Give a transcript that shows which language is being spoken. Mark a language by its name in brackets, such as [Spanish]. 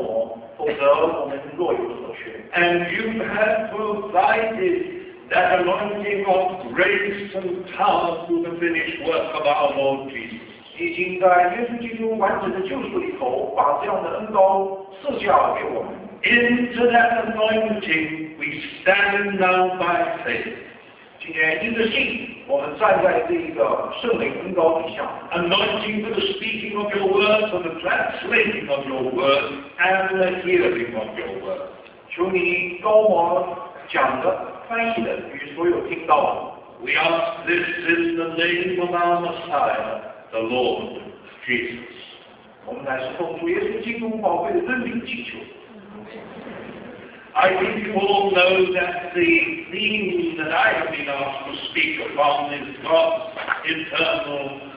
[Chinese] 但是主啊，我们不能够缺少你自己的圣灵来膏抹，否则我们若有所缺。 [English] And you have provided that anointing of grace and power through the finished work of our Lord Jesus. [Chinese] 已经在耶稣基督完整的救赎里头，把这样的恩膏赐下给我们。 [English] Into that anointing, we stand now by faith. [Chinese] 今天因着信，我们站在这一个圣灵恩膏底下。 [English] Anointing for the speaking of your word, for the translating of your word, and the hearing of your word. [Chinese] 求你膏抹讲的、翻译的与所有听到的。 [English] We ask this in the name of our Messiah, the Lord Jesus. [Chinese] 我们乃是奉主耶稣基督宝贵的真名祈求。 [English] I think you all know that the theme that I have been asked to speak upon is God's eternal